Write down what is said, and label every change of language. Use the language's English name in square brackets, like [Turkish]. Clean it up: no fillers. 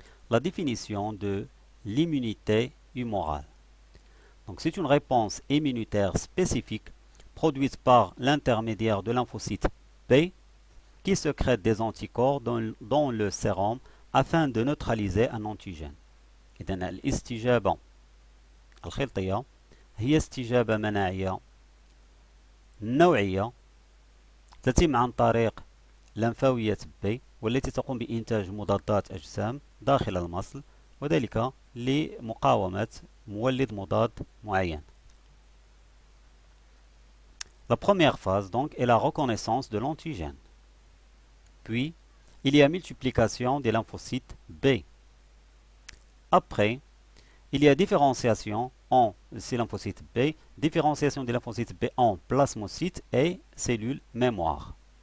[French] La définition de l'immunité humorale. Donc, c'est une réponse immunitaire spécifique produite par l'intermédiaire de lymphocytes B qui sécrètent des anticorps dans le sérum afin de neutraliser un antigène. [Arabic] إذن الاستجابة الخلطية هي استجابة مناعية نوعية تتم عن طريق لمفاوية B والتي تقوم بإنتاج مضادات أجسام داخل المصل وذلك لمقاومة مولد مضاد معين. [French] La première phase donc est la reconnaissance de l'antigène. Puis, il y a multiplication des lymphocytes B. Après, il y a différenciation en ces lymphocytes B, différenciation des lymphocytes B en plasmocytes et cellules mémoire.